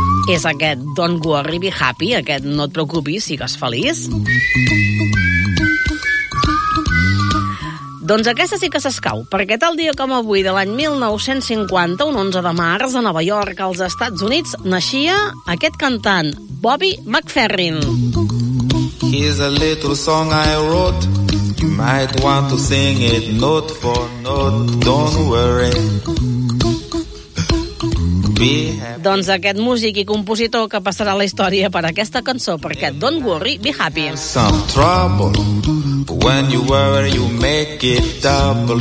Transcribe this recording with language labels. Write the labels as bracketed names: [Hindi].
[Catalan] És aquest Don't Worry Be Happy, aquest No et preocupis, sigues feliç. Doncs aquesta sí que s'escau, perquè tal dia com avui de l'any 1950, un 11 de març, a Nova York, als Estats Units, naixia aquest cantant, Bobby McFerrin. [English] Here's a little song I wrote. You might want to sing it note for note. Don't worry. [Catalan] Doncs aquest músic i compositor que passarà la història per aquesta cançó, perquè Don't Worry, Be Happy. [English] Some trouble, but when you worry, you make it double.